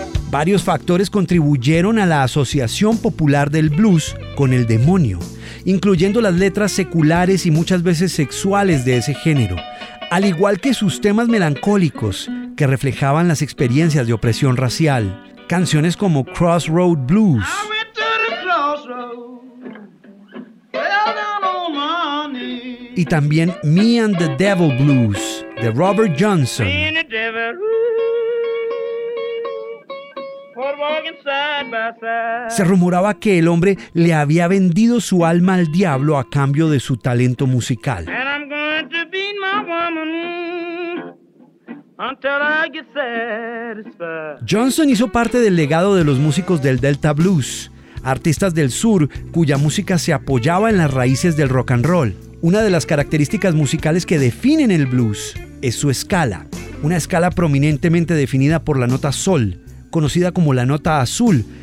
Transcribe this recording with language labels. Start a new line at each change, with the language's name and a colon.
Spanish: Varios factores contribuyeron a la asociación popular del blues con el demonio, incluyendo las letras seculares y muchas veces sexuales de ese género, al igual que sus temas melancólicos que reflejaban las experiencias de opresión racial. Canciones como Crossroad Blues.
English: I went to the crossroad, fell down on my knees.
Spanish: Y también Me and the Devil Blues de Robert Johnson.
English: Me and the devil, walking side by side.
Spanish: Se rumoraba que el hombre le había vendido su alma al diablo a cambio de su talento musical.
English: And I'm going to beat my woman. Until I get satisfied.
Spanish: Johnson hizo parte del legado de los músicos del Delta Blues, artistas del sur cuya música se apoyaba en las raíces del rock and roll. Una de las características musicales que definen el blues es su escala, una escala prominentemente definida por la nota sol, conocida como la nota azul.